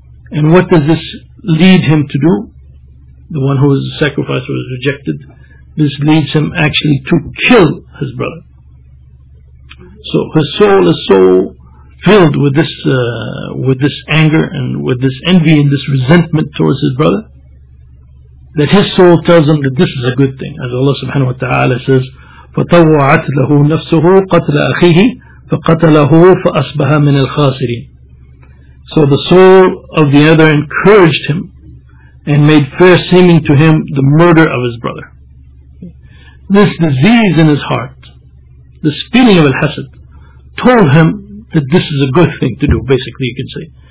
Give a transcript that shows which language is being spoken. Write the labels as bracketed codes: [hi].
[en] And what does this lead him to do? The one whose sacrifice was rejected, this leads him actually to kill his brother. So his soul is so filled with this anger and with this envy and this resentment towards his brother, that his soul tells him that this is a good thing. As Allah subhanahu wa ta'ala says, [ar] فَطَوَّعَتْ لَهُ نَفْسُهُ قَتْلَ أَخِيهِ فَقَتَلَهُ فَأَصْبَحَ مِنَ الْخَاسِرِينَ. [en] So the soul of the other encouraged him and made fair seeming to him the murder of his brother. This disease in his heart, this feeling of al-hasad, told him that this is a good thing to do, basically you can say.